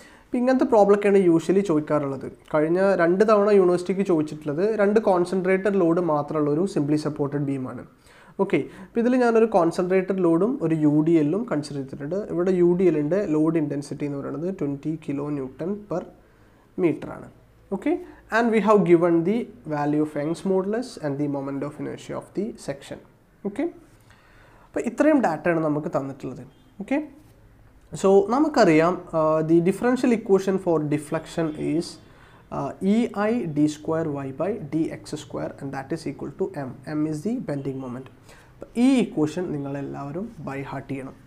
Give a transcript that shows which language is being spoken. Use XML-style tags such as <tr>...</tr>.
<ml>അപ്പോൾ ഇങ്ങനത്തെ പ്രോബ്ലമൊക്കെയാണ് യൂഷ്വലി ചോദിക്കാറുള്ളത്. കഴിഞ്ഞ 2 തവണ യൂണിവേഴ്സിറ്റിക്ക് ചോദിച്ചിട്ടുള്ളത് 2 concentrated load മാത്രമുള്ളൊരു simply supported ബീമാണ്. Okay, അപ്പോൾ ഇതിൽ ഞാനൊരു കോൺസെൻട്രേറ്റഡ് ലോഡും ഒരു യു ഡി എല്ലും കൺസിഡർ ചെയ്തിട്ടുണ്ട്. ഇവിടെ യു ഡി എല്ലിൻ്റെ ലോഡ് ഇൻറ്റൻസിറ്റി എന്ന് പറയുന്നത് 20 kN/m ആണ്. Okay,</ml> <en>and we have given the value of Young's modulus and the moment of inertia of the section. Okay.</en> <ml>അപ്പോൾ ഇത്രയും ഡാറ്റ ആണ് നമുക്ക് തന്നിട്ടുള്ളത്.</ml> <en>Okay, so നമുക്കറിയാം the differential equation for deflection is E I D square Y by D X square and that is equal to M. M is the bending moment.</en> <ml>ഈ equation നിങ്ങളെല്ലാവരും by heart ചെയ്യണം.</ml>